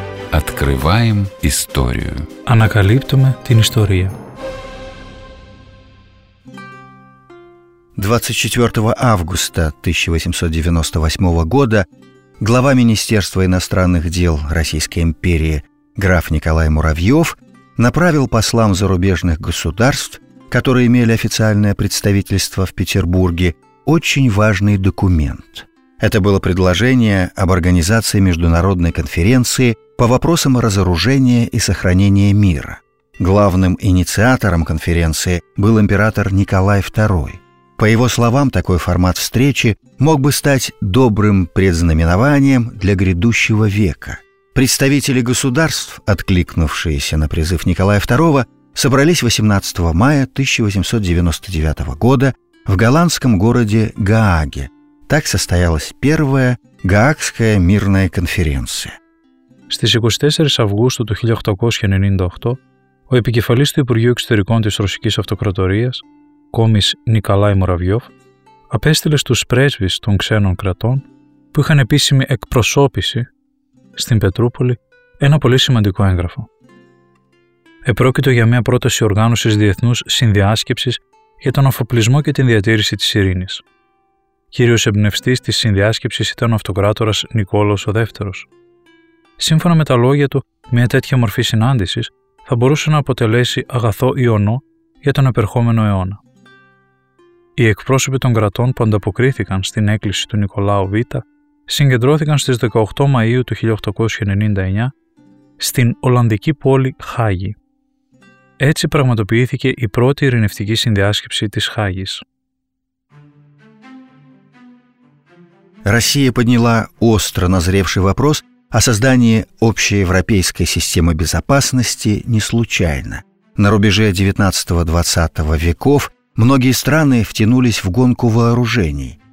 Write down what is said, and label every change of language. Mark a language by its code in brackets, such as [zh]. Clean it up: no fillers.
[ru] Открываем историю. [el] Ανακαλύπτουμε την ιστορία. [ru] 24 августа 1898 года глава Министерства иностранных дел Российской империи граф Николай Муравьев направил послам зарубежных государств, которые имели официальное представительство в Петербурге, очень важный документ. Это было предложение об организации международной конференции по вопросам разоружения и сохранения мира. Главным инициатором конференции был император Николай II. По его словам, такой формат встречи мог бы стать добрым предзнаменованием для грядущего века. Представители государств, откликнувшиеся на призыв Николая II, собрались 18 мая 1899 года в голландском городе Гааге. Так состоялась первая Гаагская мирная конференция. [el] Στις 24 Αυγούστου του 1898, ο επικεφαλής του Υπουργείου Εξωτερικών της Ρωσικής Αυτοκρατορίας, κόμις Νικολάι Μουραβιόφ, απέστειλε στους πρέσβεις των ξένων κρατών, που είχαν επίσημη εκπροσώπηση στην Πετρούπολη, ένα πολύ σημαντικό έγγραφο. Επρόκειτο για μια πρόταση οργάνωσης διεθνούς συνδιάσκεψης για τον αφοπλισμό και την διατήρηση της ειρήνης. Κύριος εμπνευστής της συνδιάσκεψης ήταν ο αυτοκράτορας Νικόλαος ο Δεύτερος. Σύμφωνα με τα λόγια του, μια τέτοια μορφή συνάντησης θα μπορούσε να αποτελέσει αγαθό ιονό για τον επερχόμενο αιώνα. Οι εκπρόσωποι των κρατών που ανταποκρίθηκαν στην έκκληση του Νικολάου Β' συγκεντρώθηκαν στις 18 Μαΐου του 1899 στην Ολλανδική πόλη Χάγη. Έτσι πραγματοποιήθηκε η πρώτη ειρηνευτική συνδιάσκεψη της Χάγης. [ru] Россия подняла остро назревший вопрос о создании общеевропейской системы безопасности не случайно. На рубеже XIX-XX веков многие страны втянулись в гонку вооружений.